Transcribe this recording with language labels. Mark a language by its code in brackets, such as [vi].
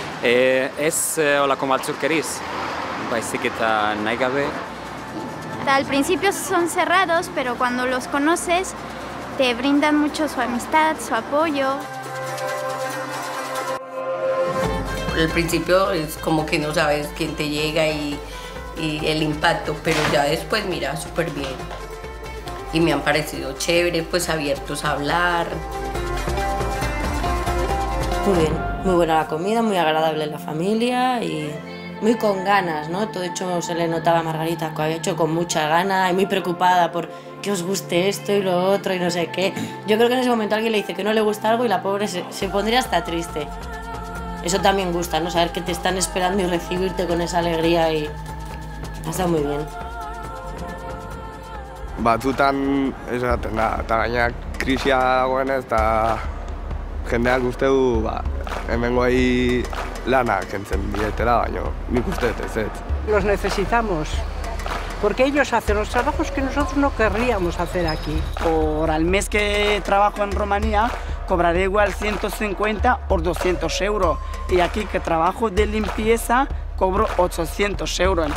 [eu] Ez olako maltzurkeriz, baizik eta nahi gabe. [es] Al principio son cerrados, pero cuando los conoces, te brindan mucho su amistad, su apoyo. Al principio es como que no sabes quién te llega y el impacto, pero ya después mira, súper bien. Y me han parecido chévere, pues abiertos a hablar. Muy bien, muy buena la comida, muy agradable la familia y muy con ganas, ¿no? Todo hecho se le notaba a Margarita, que había hecho con mucha gana y muy preocupada por que os guste esto y lo otro y no sé qué. Yo creo que en ese momento alguien le dice que no le gusta algo y la pobre se pondría hasta triste. Eso también gusta, ¿no? Saber que te están esperando y recibirte con esa alegría y ha estado muy bien. [eu] Batzutan esaten da, eta gaina krisia dagoenez, eta jendeak uste du, ba, hemengoei lanak entzen dietela, baina nik uste dut ezetz. [es] Los necesitamos, porque ellos hacen los trabajos que nosotros no querríamos hacer aquí. Por al mes que trabajo en Romania, cobraré igual 150 o 200 euros. Y aquí que trabajo de limpieza, cobro 800 euros.